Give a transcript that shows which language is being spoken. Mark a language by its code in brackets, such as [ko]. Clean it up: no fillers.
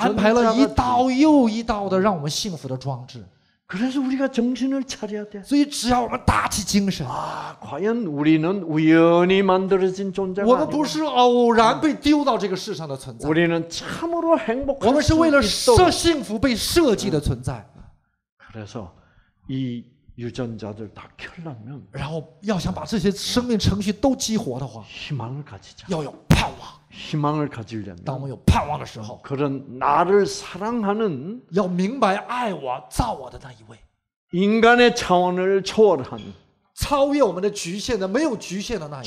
[zh] 安排了一道又一道的让我们幸福的装置。 [ko] 그래서우리가정신을차려야돼， [zh] 所以只要我们打起精神。 [ko] 아과연우리는우연히만들어진존재가， [zh] 我们不是偶然被丢到这个世上的存在。 [ko] 우리는참으로행복한， [zh] 我们是为了设幸福被设计的存在。 [ko] 그래서이유전자들다켜려면， [zh] 然后要想把这些生命程序都激活的话， [ko] 희망을가지자， [zh] 要有盼望。 [ko] 희망을가지려면， [zh] 当我们有盼望的时候， [ko] 그런나를사랑하는， [zh] 要明白爱我造我的那一位， [ko] 인간의차원을초월한， [zh] 超越我们的局限的没有局限的那一位，